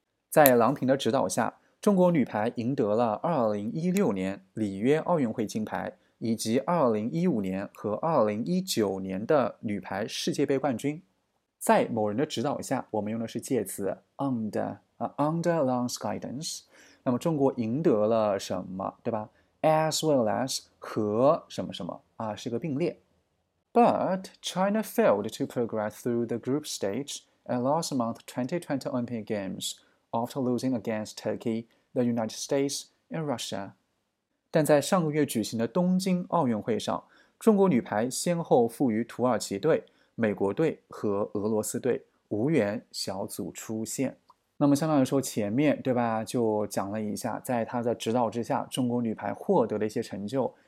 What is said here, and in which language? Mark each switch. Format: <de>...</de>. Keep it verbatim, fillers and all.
<zh>在郎平的指导下，中国女排赢得了二零一六年里约奥运会金牌，以及二零一五年和二零一九年的女排世界杯冠军。在某人的指导下，我们用的是介词 under、uh,</zh> <en>under Lang's guidance。</en> <zh>那么中国赢得了什么，对吧？</zh> <en>As well as</en> <zh>和什么什么啊，是个并列。</zh> <en>But China failed to progress through the group stage and lost among the twenty twenty Olympic Games after losing against Turkey, the United States and Russia.</en> <zh>但在上个月举行的东京奥运会上，中国女排先后负于土耳其队、美国队和俄罗斯队，无缘小组出线。那么相当于说前面，对吧，就讲了一下在他的指导之下中国女排获得了一些成就。</zh>